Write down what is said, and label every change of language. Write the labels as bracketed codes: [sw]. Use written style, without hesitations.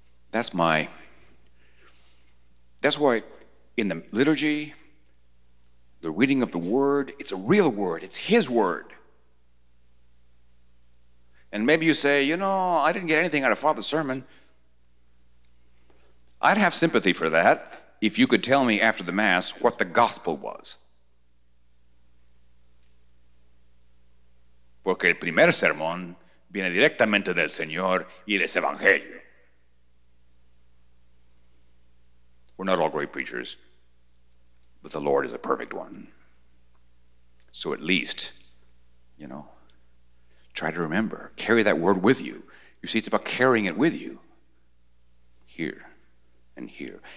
[en] That's why in the liturgy, the reading of the word, it's a real word. It's his word. And maybe you say, you know, I didn't get anything out of Father's sermon. I'd have sympathy for that if you could tell me after the Mass what the gospel was. [es] Porque el primer sermón viene directamente del Señor y es Evangelio. [en] We're not all great preachers, but the Lord is a perfect one. So at least, you know, try to remember, carry that word with you. You see, it's about carrying it with you here and here.